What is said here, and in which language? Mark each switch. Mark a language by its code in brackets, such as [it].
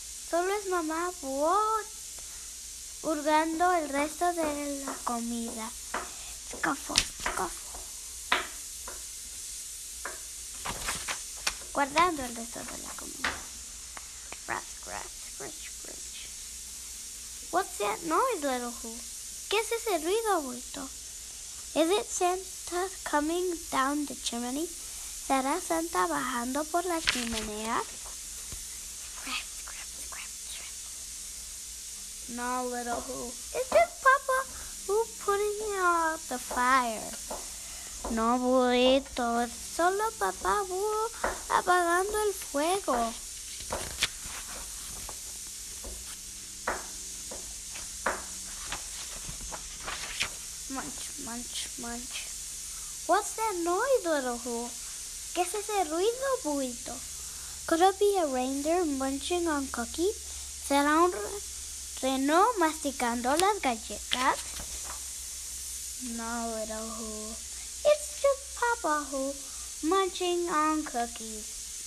[es] Solo es mamá búho hurgando el resto de la comida. [en] Scuffle, scuffle. [es] Guardando el resto de la comida. [en] Scratch, scratch, scratch, scratch. What's that noise, Little Who? [es] ¿Qué es ese ruido, Buito? [en] Is it Santa coming down the chimney? [es] ¿Será Santa bajando por la chimenea? [en] Scratch, scratch, scratch, scratch. No, Little Who. Is it Papa who putting out the fire? [es] No, Buito. Solo Papá Búho apagando el fuego. [en] Munch, munch, munch. What's that noise, Little Who? [es] ¿Qué es ese ruido, Buito? [en] Could it be a reindeer munching on cookies? [es] ¿Será un Renó masticando las galletas. [en] Now little who, it's just Papa who munching on cookies.